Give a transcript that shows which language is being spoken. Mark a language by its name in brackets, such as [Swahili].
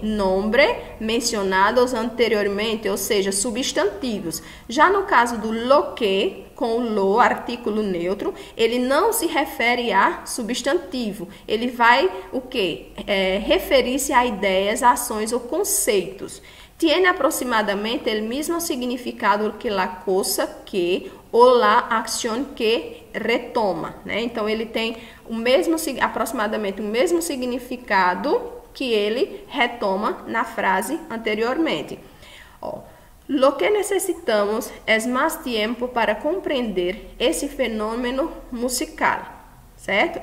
[Portuguese] Nome mencionados anteriormente, ou seja, substantivos. Já no caso do lo que, com o lo, artículo neutro, ele não se refere a substantivo. Ele vai o quê? É, referir-se a ideias, ações ou conceitos. [Spanish] Tiene aproximadamente el mismo significado que la cosa que ou la acción que retoma. [Portuguese] Né? Então, ele tem aproximadamente o mesmo significado que ele retoma na frase anteriormente. Ó. Lo que necessitamos é mais tempo para compreender esse fenômeno musical, certo?